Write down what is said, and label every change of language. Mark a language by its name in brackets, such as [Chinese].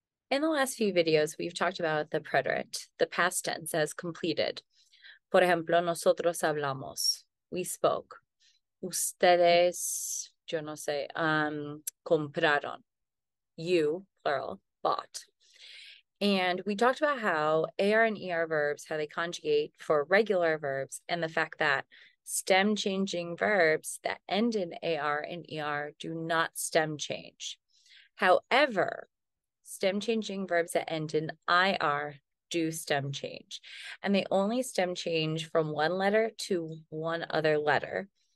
[English] In the last few videos, we've talked about the preterite, the past tense as completed. [Spanish] Por ejemplo, nosotros hablamos. [English] We spoke. [Spanish] Ustedes, yo no sé, compraron. [English] You, plural, bought. And we talked about how AR and ER verbs, how they conjugate for regular verbs, and the fact that stem-changing verbs that end in AR and ER do not stem change. However, stem-changing verbs that end in IR do stem change, and they only stem change from one letter to one other letter.